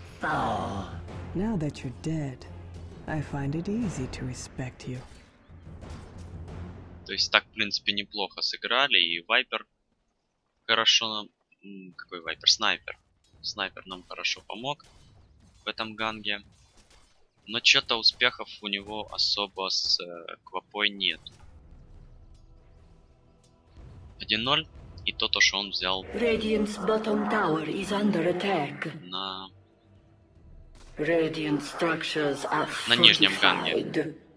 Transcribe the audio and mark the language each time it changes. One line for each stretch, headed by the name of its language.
English: Now that you're dead, I find it easy to respect you.
Russian: То есть так, в принципе, неплохо сыграли, и Вайпер хорошо нам... Какой Вайпер? Снайпер. Снайпер нам хорошо помог в этом ганге. Но чё-то успехов у него особо с Квапой нет. 1-0, и то, что он взял...
English: Radiant's bottom tower is under attack.
Russian: На...
English: Radiant structures are fortified.
Russian: На нижнем ганге.